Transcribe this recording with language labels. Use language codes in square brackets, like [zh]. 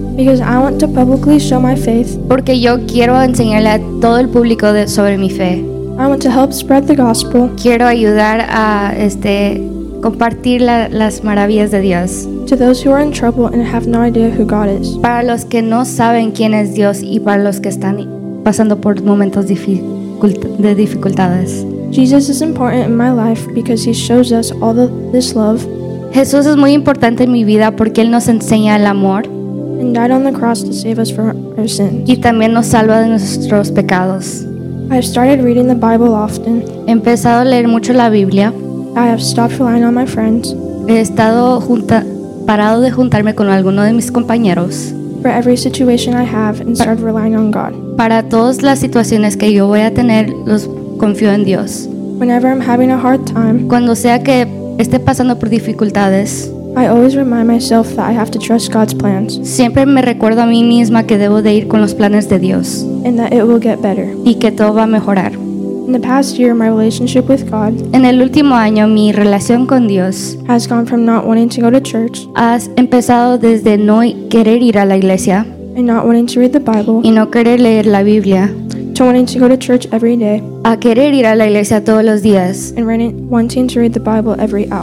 [en] Because I want to publicly show my faith. [es] Porque yo quiero enseñarle a todo el público sobre mi fe. [en] I want to help spread the gospel. [es] Quiero ayudar a compartir las maravillas de Dios. [en] To those who are in trouble and have no idea who God is. [es] Para los que no saben quién es Dios y para los que están pasando por momentos de dificultades. [en] Jesus is important in my life because he shows us all this love. [es] Jesús es muy importante en mi vida porque Él nos enseña el amor. [en] And died on the cross to save us from our sins. [es] Y también nos salva de nuestros pecados. [en] I've started reading the Bible often. [es] He empezado a leer mucho la Biblia. [en] I have stopped relying on my friends. [es] He estado parado de juntarme con alguno de mis compañeros. [en] for every situation I have and started relying on God. [es] Para todas las situaciones que yo voy a tener, los confío en Dios. [en] Whenever I'm having a hard time, [es] cuando sea que esté pasando por dificultades, [en] I always remind myself that I have to trust God's plans. [es] Siempre me recuerdo a mí misma que debo de ir con los planes de Dios. [en] And that it will get better. [es] Y que todo va a mejorar. [en] In the past year, my relationship with God, [es] en el último año, mi relación con Dios, [en] has gone from not wanting to go to church, [es] has empezado desde no querer ir a la iglesia, [en] and not wanting to read the Bible, [es] y no querer leer la Biblia, [en] to wanting to go to church every day, [es] a querer ir a la iglesia todos los días, [en] and running, wanting to read the Bible every hour,